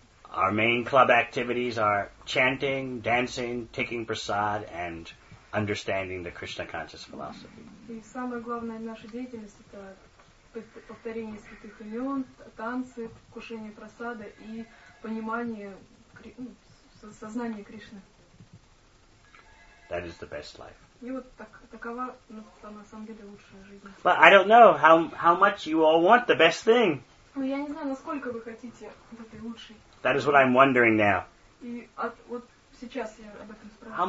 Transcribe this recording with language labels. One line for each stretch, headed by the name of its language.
English: Our main club activities are chanting, dancing, taking prasad, and understanding the Krishna conscious philosophy.
Russian: И самое главное в нашей деятельности это повторение святых имен, танцы, кушение прасада и понимание сознания Кришны.
English: That is the best life.
Russian: И вот такова, ну, там, на самом деле, лучшая жизнь.
English: But I don't know how much you all want the best thing.
Russian: Ну, я не знаю, насколько вы хотите этой лучшей.
English: That is what I'm wondering now.
Russian: И вот Сейчас я об этом спрашиваю.